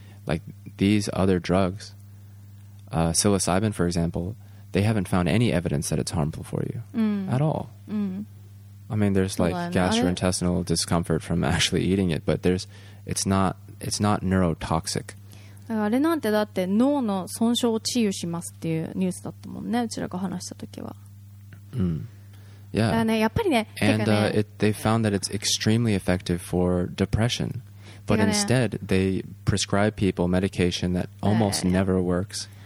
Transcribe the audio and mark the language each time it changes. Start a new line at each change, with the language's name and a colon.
English: Like these other drugs, psilocybin, for example, they haven't found any evidence that it's harmful for you at all. I mean, there's like gastrointestinal discomfort from actually eating it, but it's not neurotoxic.
Japanese: だからあれなんてだって脳の損傷を治癒しますっていうニュースだったもんね、うちらが話した時は。
English: Yeah.
Japanese: だからね、やっぱりね、
English: And
Japanese: ね、
English: they found that it's extremely effective for depression. But instead, they prescribe people medication that almost never works.